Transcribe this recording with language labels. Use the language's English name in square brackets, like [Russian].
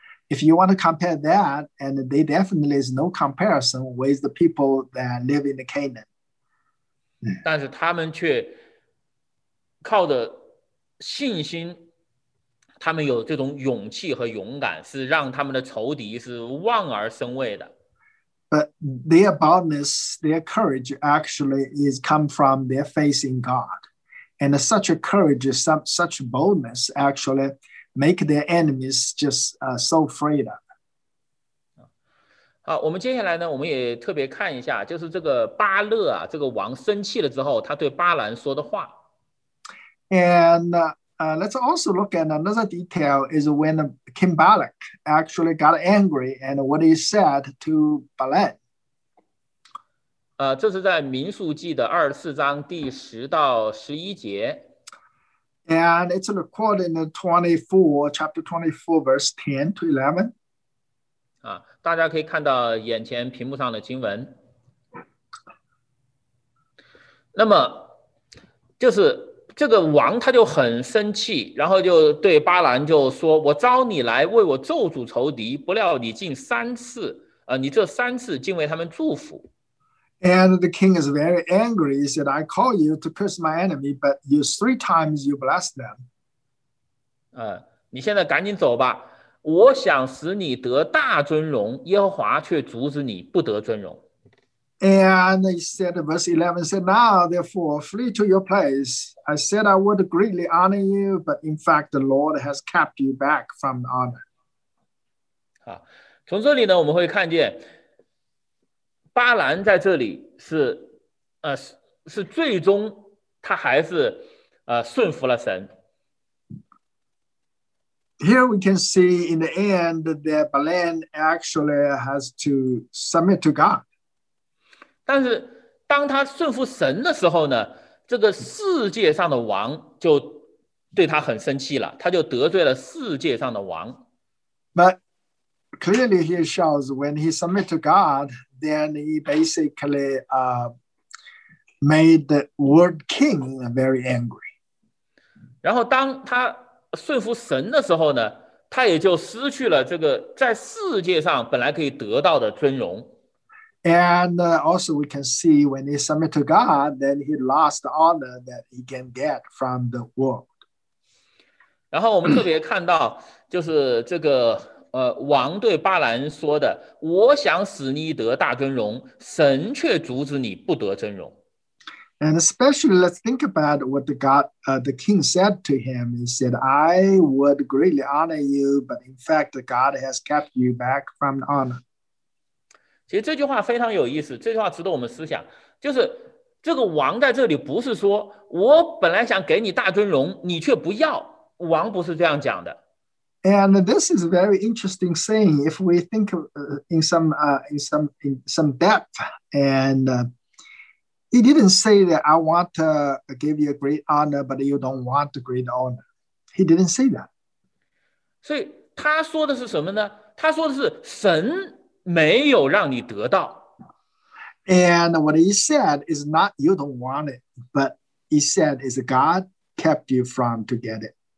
[English] If you want to compare that, and they definitely is no comparison with the people that live in the Canaan. [Chinese] 但是他们却靠着信心，他们有这种勇气和勇敢，是让他们的仇敌是望而生畏的。 [English] But their boldness, their courage actually is come from their faith in God. And such a courage, such boldness actually,make their enemies just so afraid of. [Chinese] 好，我们接下来呢，我们也特别看一下，就是这个巴勒啊，这个王生气了之后，他对巴兰说的话。 [English] And let's also look at another detail is when King Balak actually got angry and what he said to Balaam. [Chinese] 这是在民数记的24章第10到11节。 [English] And it's recorded in the 24, chapter 24, verse 10 to 11. [Chinese] 大家可以看到眼前屏幕上的经文。那么就是这个王他就很生气，然后就对巴兰就说，我招你来为我咒诅仇敌，不料你竟三次，你这三次竟为他们祝福。 [English] And the king is very angry. He said, I call you to curse my enemy, but you three times you bless them. [Chinese] 你现在赶紧走吧。我想使你得大尊荣，耶和华却阻止你不得尊荣。 [English] And he said, verse 11 said, Now therefore, flee to your place. I said I would greatly honor you, but in fact, the Lord has kept you back from honor. [Chinese] 从这里呢，我们会看见巴兰在这里 是最终他还是顺服了神。 [English] here we can see in the end that Balaam actually has to submit to God. [Chinese] 但是当他顺服神的时候呢，这个世界上的王就对他很生气了，他就得罪了世界上的王。 [English] But clearly he shows when he submit to God, then he basically made the world king very angry. [Chinese] 然后当他顺服神的时候呢，他也就失去了这个在世界上本来可以得到的尊荣。 [English] And also we can see when he submit to God, then he lost the honor that he can get from the world. [Chinese] 然后我们特别看到就是这个王对巴兰说的，我想使你得大尊荣，神却阻止你不得尊荣。 [English] And especially let's think about what the God, the king said to him. He said, I would greatly honor you, but in fact, God has kept you back from the honor. [Chinese] 其实这句话非常有意思，这句话值得我们思想。就是这个王在这里不是说，我本来想给你大尊荣，你却不要。王不是这样讲的。 [English] And this is a very interesting thing. If we think of, in some depth, and he didn't say that I want to give you a great honor, but you don't want a great honor. He didn't say that. [Chinese] 所以他说的是什么呢？他说的是神没有让你得到。 [English] And what he said is not you don't want it, but he said is God kept you from to get it.